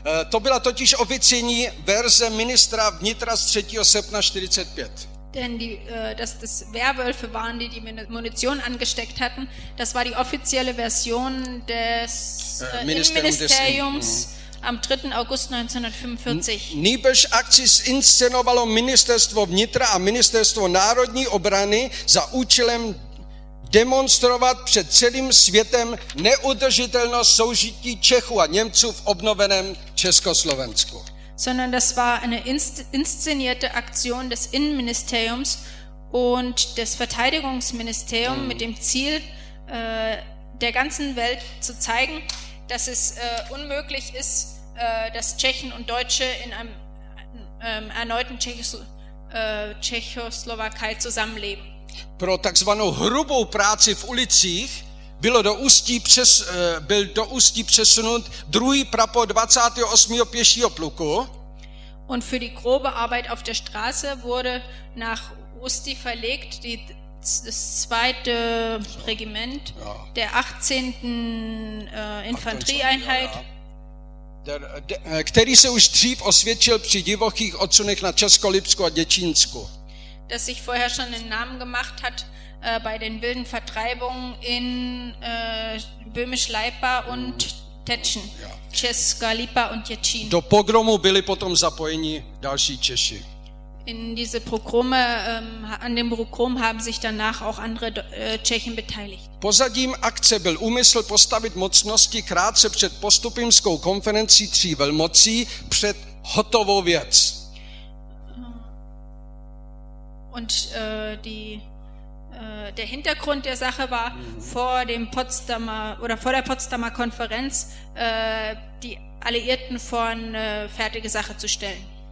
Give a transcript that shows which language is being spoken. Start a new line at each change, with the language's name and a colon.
Czech: To byla totiž oficiální verze ministra vnitra z 3. srpna 45.
German: Denn die dass das Werwölfe waren, die Munition angesteckt hatten, das war die offizielle Version des Innenministeriums am 3. August 1945.
Czech: Nýbrž akci inscenovalo ministerstvo vnitra a ministerstvo národní obrany za účelem demonstrovat před celým světem neudržitelnost soužití Čechů a Němců v obnoveném Československu.
German: Sondern das war eine inszenierte Aktion des Innenministeriums und des Verteidigungsministeriums mit dem Ziel, der ganzen Welt zu zeigen, dass es unmöglich ist, dass Tschechen und Deutsche in einem erneuten Tschechoslowakei zusammenleben.
Czech: Pro takzvanou hrubou práci v ulicích byl do Ústí přesunut druhý prapor 28. pěšího pluku.
German: Und für die grobe Arbeit auf der Straße wurde nach Ústí verlegt das zweite Regiment der 18. Infanterieeinheit.
Czech: Který se už dřív osvědčil při divokých odsunech na Česko-Lipsku a Děčínsku.
German: Das sich vorher schon einen Namen gemacht hat bei den wilden Vertreibungen in Böhmisch-Leipa und Tetschen. Česká Lipa und Děčín.
Czech: Do pogromu byli potom zapojeni další Češi.
German: In diese Pogrome, an dem Pogrom haben sich danach auch andere Tschechen beteiligt.
Czech: Pozadím akce byl úmysl postavit mocnosti krátce před postupimskou konferencí tří velmocí před hotovou věc.
German: Und der Hintergrund der Sache war vor der Potsdamer Konferenz die Alliierten vor eine fertige Sache zu stellen.